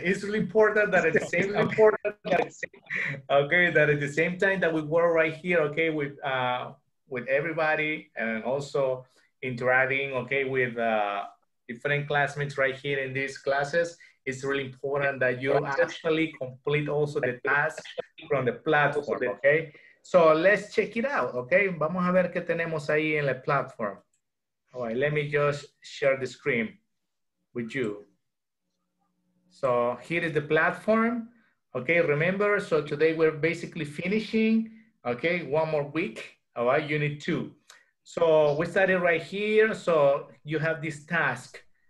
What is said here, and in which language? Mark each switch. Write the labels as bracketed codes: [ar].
[en] It's really important that at the same that at the same time that we were right here, okay, with everybody and also interacting, okay, with different classmates right here in these classes, it's really important that you actually complete also the task from the platform, okay? So let's check it out, okay? [es] Vamos a ver qué tenemos ahí en la platform. [en] All right, let me just share the screen with you. So here is the platform, okay? Remember, so today we're basically finishing, okay? One more week, all right, unit two. So we started right here, so you have this task.